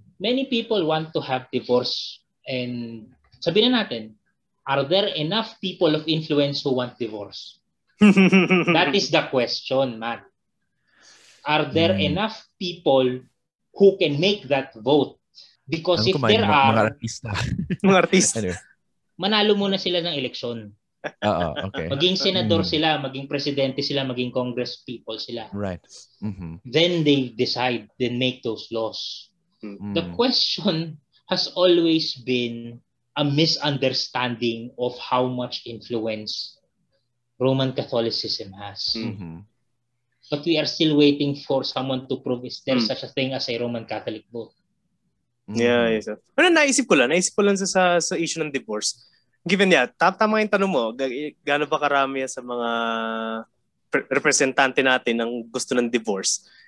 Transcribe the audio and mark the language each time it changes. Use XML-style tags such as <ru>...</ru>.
<en>Many people want to have divorce. And</en> <tl>sabihin na natin,</tl> <en>are there enough people of influence who want divorce? That is the question, Matt. Are there enough people who can make that vote? Because if there are...</en> <tl>Mga artista. Mga artista. Anyway. Manalo muna sila ng eleksyon. Oo, okay. Maging senador sila, maging presidente sila, maging congress people sila.</tl> <en>Right. Mm-hmm. Then they decide, then make those laws. Mm-hmm. The question has always been a misunderstanding of how much influence Roman Catholicism has. Mm-hmm. But we are still waiting for someone to prove is there such a thing as a Roman Catholic vote. Yeah.</en> <tl>Pero naisip ko lang sa issue ng divorce. Given tama yung tanong mo, gaano ba karami sa mga representante natin ang gusto ng divorce?</tl>